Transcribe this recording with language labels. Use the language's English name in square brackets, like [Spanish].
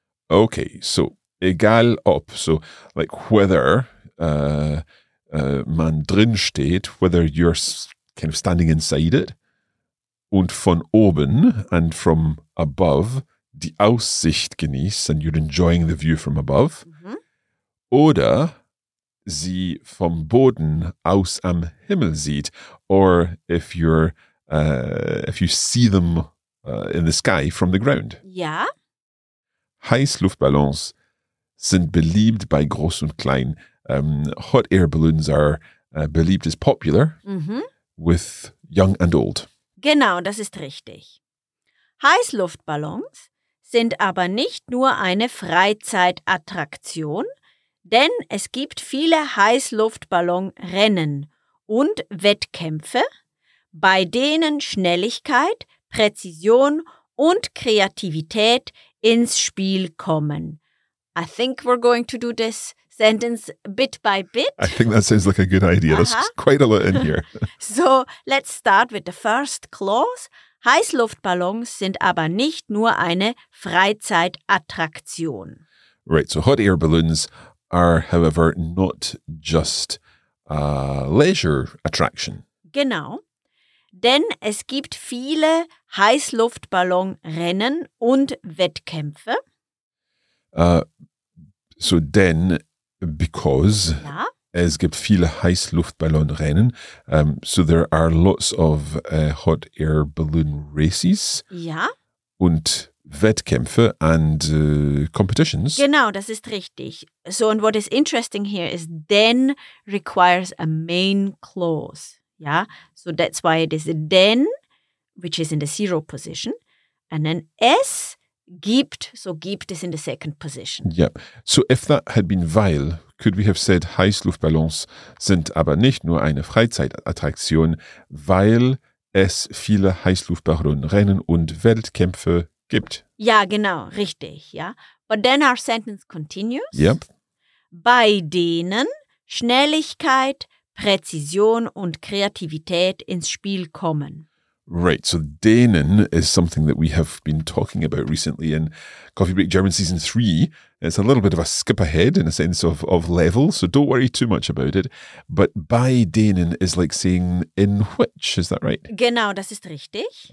[English] Okay, so [German] egal ob, [English] so like whether [German] man drin steht, [English] whether you're kind of standing inside it, [German] und von oben [English] and from above, [German] die Aussicht genießt, [English] and you're enjoying the view from above, [German] oder sie vom Boden aus am Himmel sieht, [English] or if you're if you see them in the sky from the ground. [German] Ja. Heißluftballons sind beliebt bei groß und klein. [English] Hot air balloons are beliebt, is popular with young and old. [German] Genau, das ist richtig. Heißluftballons sind aber nicht nur eine Freizeitattraktion, denn es gibt viele Heißluftballonrennen und Wettkämpfe, bei denen Schnelligkeit, Präzision und Kreativität ins Spiel kommen. [English] I think we're going to do this sentence bit by bit. I think that sounds like a good idea. Uh-huh. There's quite a lot in here. So, let's start with the first clause. [German] Heißluftballons sind aber nicht nur eine Freizeitattraktion. [English] Right, so hot air balloons are, however, not just a leisure attraction. [German] Genau, denn es gibt viele Heißluftballonrennen und Wettkämpfe. [English] So, denn, because, [German] ja. Es gibt viele Heißluftballonrennen. [English] So there are lots of hot air balloon races. [German] Ja. Und Wettkämpfe [English] and competitions. [German] Genau, das ist richtig. [English] So, and what is interesting here is then requires a main clause. Ja, so that's why it is then, which is in the zero position, and then [German] es gibt, [English] so [German] gibt es [English] in the second position. Yep. So if that had been [German] weil, [English] could we have said [German] Heißluftballons sind aber nicht nur eine Freizeitattraktion, weil es viele Heißluftballonrennen und Weltkämpfe gibt? Ja, genau, richtig, ja. [English] But then our sentence continues. Yep. [German] Bei denen Schnelligkeit, Präzision und Kreativität ins Spiel kommen. [English] Right, so denen is something that we have been talking about recently in Coffee Break German Season 3. It's a little bit of a skip ahead in a sense of level, so don't worry too much about it. But [German] bei denen [English] is like saying in which, is that right? [German] Genau, das ist richtig.